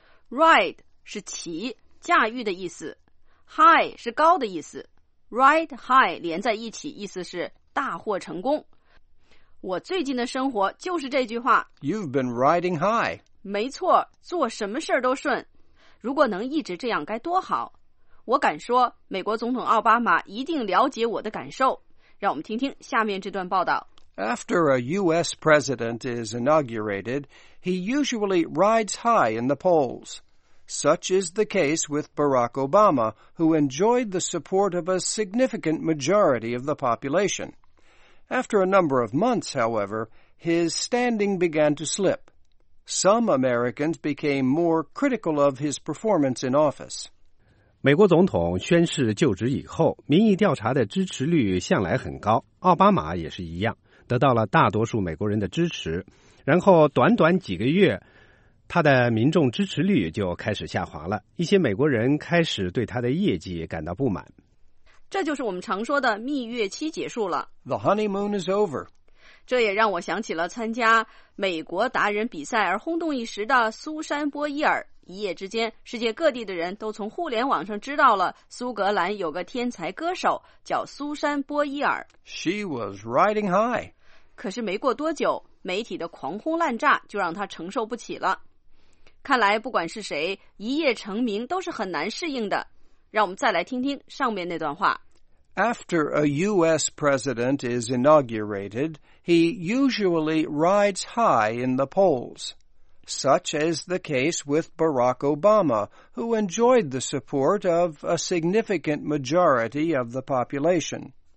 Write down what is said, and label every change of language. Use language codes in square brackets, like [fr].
[zh] Ride 是骑驾驭的意思 High 是高的意思 Ride high 连在一起意思是大获成功我最近的生活就是这句话 [en] You've been riding high [zh] 没错做什么事儿都顺如果能一直这样该多好我敢说美国总统奥巴马一定了解我的感受让我们听听下面这段报道 [en] After a U.S. president is inaugurated he usually rides high in the polls Such is the case with Barack Obama who enjoyed the support of a significant majority of the populationAfter a number of months, however, his standing began to slip. Some Americans became more critical of his performance in office. [zh] 美国总统宣誓就职以后，民意调查的支持率向来很高，奥巴马也是一样，得到了大多数美国人的支持。然后短短几个月，他的民众支持率就开始下滑了，一些美国人开始对他的业绩感到不满。这就是我们常说的蜜月期结束了。 [en] The honeymoon is over. [zh] 这也让我想起了参加美国达人比赛而轰动一时的苏珊·波伊尔。一夜之间，世界各地的人都从互联网上知道了苏格兰有个天才歌手叫苏珊·波伊尔。 [en] She was riding high. [zh] 可是没过多久，媒体的狂轰滥炸就让她承受不起了。看来不管是谁，一夜成名都是很难适应的。让我们再来听听上面那段话。 [en] After a U.S. president is inaugurated, he usually rides high in the polls. Such is the case with Barack Obama, who enjoyed the support of a significant majority of the population.